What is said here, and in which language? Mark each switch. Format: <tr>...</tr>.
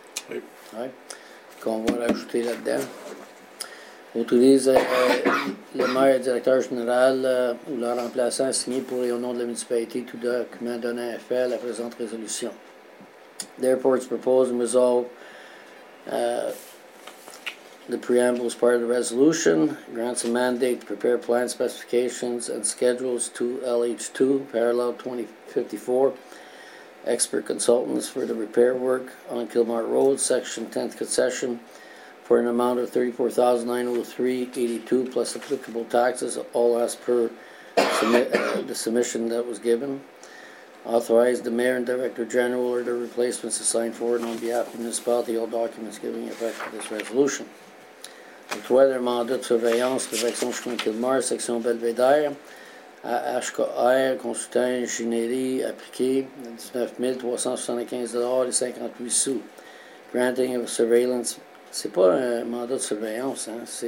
<fr>Oui. Ouais. Qu'on va rajouter là-dedans. Autorise le maire et le directeur général ou leur remplaçant à signer pour et au nom de la municipalité tout document donnant effet à la présente résolution.</fr> <en>Therefore, it's proposed and resolved. The preamble is part of the resolution, grants a mandate to prepare plan specifications and schedules to LH2, parallel 2054, expert consultants for the repair work on Kilmore Road, section 10th concession, for an amount of $34,903.82 plus applicable taxes, all as per the submission that was given. Authorize the mayor and director general or their replacements to sign forward on behalf of the municipality all documents giving effect to this resolution.</en> <fr>Octroyer un mandat de surveillance, réfection chemin Kilmore, section Belvédère, à HKR, consultant ingénierie appliquée, $19,375.58.</fr> <en>Granting of surveillance,</en> <fr>c'est pas un mandat de surveillance, hein?</fr>